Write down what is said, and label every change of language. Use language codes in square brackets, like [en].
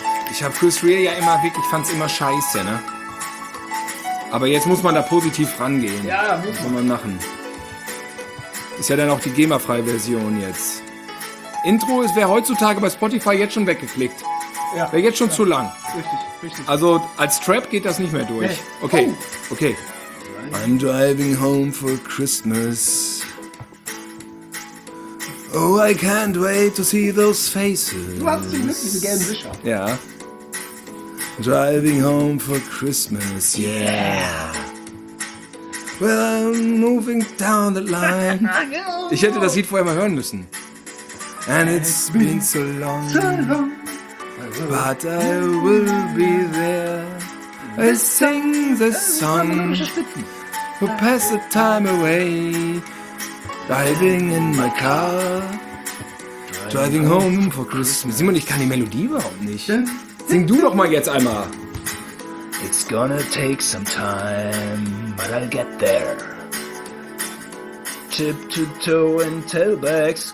[de] Ich habe Chris Rea ja immer wirklich, ich fand's immer scheiße, ne? Aber jetzt muss man da positiv rangehen. Ja, muss man. Muss man machen. Ist ja dann auch die GEMA-freie Version jetzt. Intro wäre heutzutage bei Spotify jetzt schon weggeklickt. Ja. Wäre jetzt schon zu lang. Richtig. Also als Trap geht das nicht mehr durch. Nee. Okay, okay. [en] I'm driving home for Christmas. Oh, I can't wait to see those faces. [de] Du hast sie wirklich gern sicher. Ja. [en] Driving home for Christmas, yeah. Well, I'm moving down the line. [de] Ich hätte das Lied vorher mal hören müssen. [en] And it's been so long, but I will be there. I sing the song, who pass the time away. Driving in my car, driving home for Christmas. [de] Simon, ich kann die Melodie überhaupt nicht. Sing du doch mal jetzt einmal. [en] It's gonna take some time, but I'll get there. Tip to toe and tailbacks.